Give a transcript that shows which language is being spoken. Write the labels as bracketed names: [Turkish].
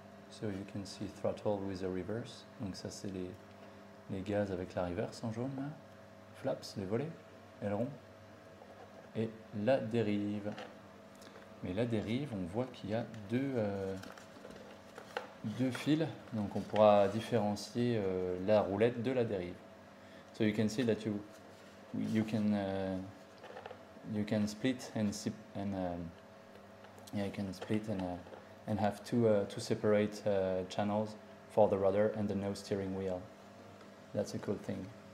[English] So you can see throttle with a reverse. [French] Donc ça, c'est les gaz avec la reverse en jaune, là. Flaps, les volets, ailerons, et la dérive. Mais la dérive, on voit qu'il y a deux fils, donc on pourra différencier la roulette de la dérive. [English] So you can see that you can split and have two separate channels for the rudder and the nose steering wheel. That's a cool thing.